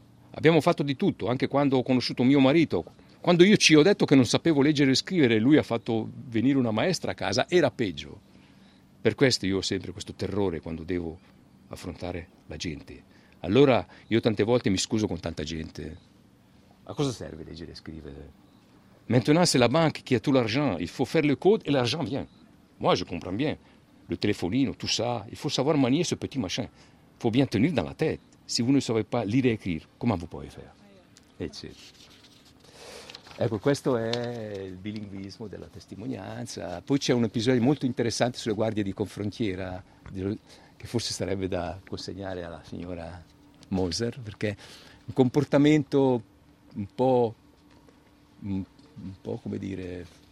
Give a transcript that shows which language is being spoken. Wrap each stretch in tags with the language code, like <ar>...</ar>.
<it>Abbiamo fatto di tutto, anche quando ho conosciuto mio marito. Quando io ci ho detto che non sapevo leggere e scrivere, lui ha fatto venire una maestra a casa, era peggio. Per questo io ho sempre questo terrore quando devo affrontare la gente. Allora io tante volte mi scuso con tanta gente. A cosa serve leggere e scrivere?</it> <fr>Maintenant c'est la banque qui a tout l'argent, il faut faire le code et l'argent vient. Moi je comprends bien, le telefonino, tout ça, il faut savoir manier ce petit machin. Il faut bien tenir dans la tête. Si vous ne savez pas lire et écrire, comment vous pouvez faire?</fr> <it>Ecco, questo è il bilinguismo della testimonianza. Poi c'è un episodio molto interessante sulle guardie di confrontiera, che forse sarebbe da consegnare alla signora Moser, perché un comportamento un po' come dire,</it>